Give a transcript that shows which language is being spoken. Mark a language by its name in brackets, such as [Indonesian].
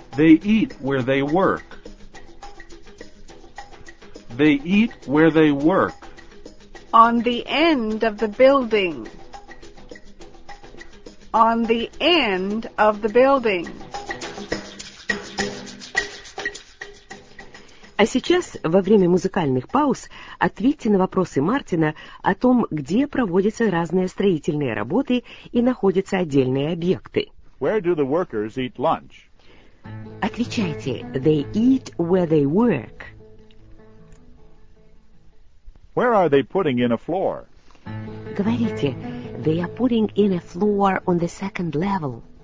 [English] They eat where they work. They eat where they work. On the end of the building. On the end of the building. [Russian] А сейчас, во время музыкальных пауз, ответьте на вопросы Мартина о том, где проводятся разные строительные работы и находятся отдельные объекты. [English] Where do the workers eat lunch? [Russian] Отвечайте, [English] they eat where they work. Where are they putting in a floor? [Russian] Говорите, [English] they are putting in a floor on the second level.